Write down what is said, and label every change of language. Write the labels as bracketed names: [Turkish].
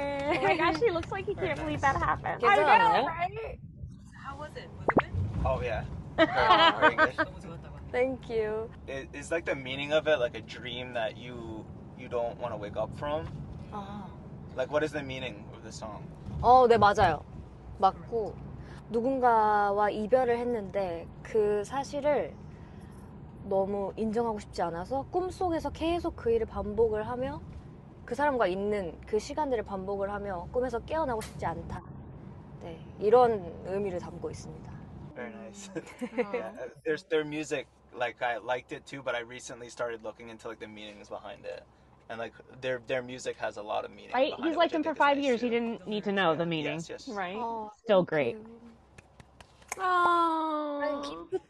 [English] Oh my gosh, he looks like he can't believe that happened. I know, right? How was it? Was it good? Oh yeah. Very good. Thank you. It's like the meaning of it, like a dream that you don't want to wake up from. Like what is the meaning of the song? [Korean] 어, 네 맞아요. 맞고 누군가와 이별을 했는데 그 사실을 너무 인정하고 싶지 않아서 꿈속에서 계속 그 일을 반복을 하며 그 사람과 있는 그 시간들을 반복을 하며 꿈에서 깨어나고 싶지 않다. 네, 이런 의미를 담고 있습니다. [English] Very nice. Yeah, there's their music. Like I liked it too, but I recently started looking into like the meanings behind it, and like their music has a lot of meaning. Right, he's liked them for 5 years. He didn't need to know the meaning. Yes, yes. Right, still great. Oh.